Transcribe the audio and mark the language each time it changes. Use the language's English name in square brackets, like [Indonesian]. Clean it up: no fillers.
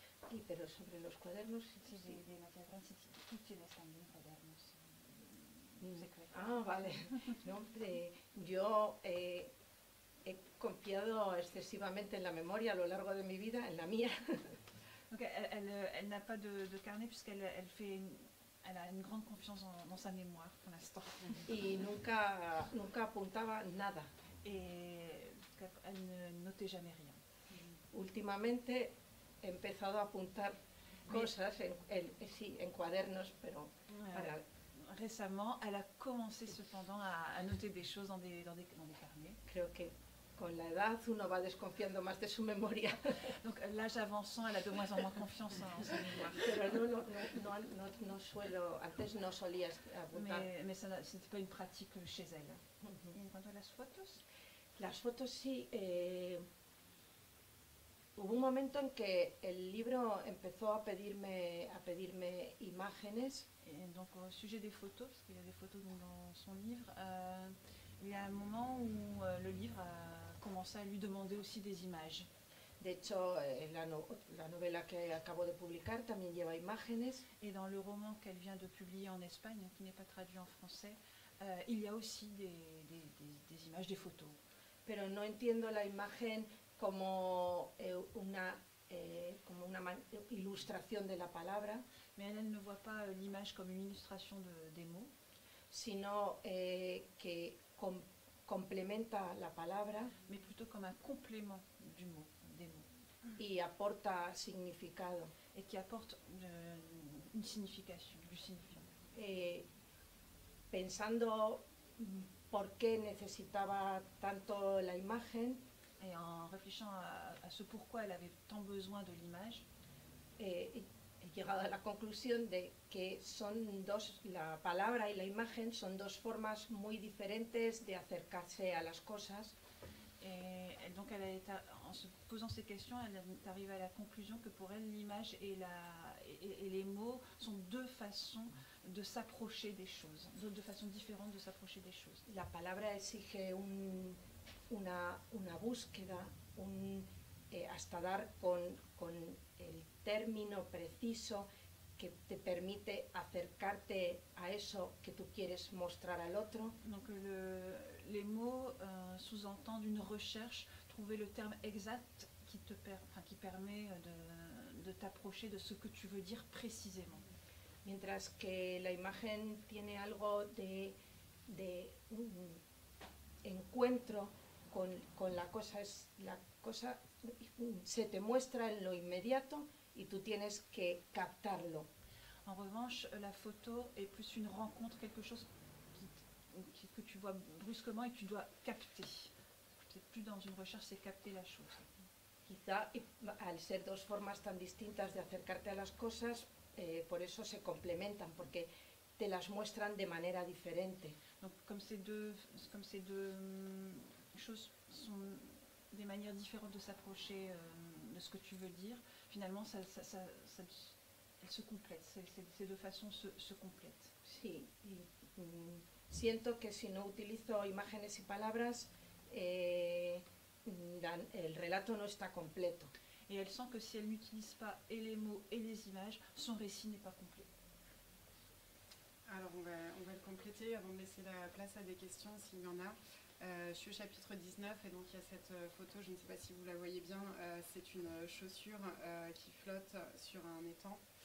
[Spanish] Sí, pero sobre los cuadernos, sí, de Mathias Brahm, sí, tú tienes también cuadernos. Ah, vale. No, hombre, yo he confiado excesivamente en la memoria a lo largo de mi vida, en la mía. [French] Okay, elle n'a pas de carnet puisqu'elle elle a une grande confiance en sa mémoire pour l'instant. [Spanish] Y nunca apuntaba nada. [French] Et elle ne notait jamais rien. [Spanish] Últimamente he empezado a apuntar cosas en cuadernos, pero [French] récemment, elle a commencé cependant à noter des choses dans des carnets. [Spanish] Creo que con la edad uno va desconfiando más de su memoria. [French] Donc l'âge avançant, elle a de moins en moins confiance en sa mémoire. [Spanish] Pero no suelo, antes no solía apuntar. [French] Mais ça n'était pas une pratique chez elle. [Spanish] Mm-hmm. Y en cuanto a las fotos, sí. Hubo un momento en que el libro empezó a pedirme imágenes. [French] Donc au sujet des photos, parce qu'il y a des photos dans son livre, il y a un moment où le livre a commencé à lui demander aussi des images. [Spanish] De hecho, la novela que acabo de publicar también lleva imágenes. [French] Et dans le roman qu'elle vient de publier en Espagne, qui n'est pas traduit en français, il y a aussi des images, des photos. [Spanish] Pero no entiendo la imagen como una [French] comme une illustration de la parole, mais elle ne voit pas l'image comme une illustration de, des mots, [Spanish] sino que complementa la palabra, [French] mais plutôt comme un complément du mot, des mots, [Spanish] y aporta significado, [French] et qui apporte une signification, du signifiant. [Spanish] Pensando por qué necesitaba tanto la imagen. [French] Et en réfléchissant à ce pourquoi elle avait tant besoin de l'image, j'ai arrivé à la conclusion [Spanish] de que son dos, la palabra y la imagen son dos formas muy diferentes de acercarse a las cosas. [French] Et donc elle est, en se posant ces questions, elle est arrivée à la conclusion que pour elle l'image et la et les mots sont deux façons de s'approcher des choses, deux façons différentes de s'approcher des choses. [Spanish] La palabra exige una búsqueda, hasta dar con el término preciso que te permite acercarte a eso que tú quieres mostrar al otro. [French] Donc les mots sous-entendent une recherche, trouver le terme exact qui permet de t'approcher de ce que tu veux dire précisément. [Spanish] Mientras que la imagen tiene algo de un encuentro con la cosa, es la cosa se te muestra en lo inmediato y tú tienes que captarlo. [French] En revanche, la photo est plus une rencontre, quelque chose que tu vois brusquement et tu dois capter. C'est plus dans une recherche, c'est capter la chose. [Spanish] Quizá al ser dos formas tan distintas de acercarte a las cosas, por eso se complementan, porque te las muestran de manera diferente. [French] Donc comme ces deux choses sont des manières différentes de s'approcher de ce que tu veux dire, finalement elles se complètent, ces deux façons se complètent. [Spanish] Sí, siento que si no utilizo imágenes y palabras, el relato no está completo. [French] Et elle sent que si elle n'utilise pas et les mots et les images, son récit n'est pas complet. Alors on va le compléter avant de laisser la place à des questions s'il y en a. Je suis au chapitre 19 et donc il y a cette photo, je ne sais pas si vous la voyez bien, c'est une chaussure qui flotte sur un étang.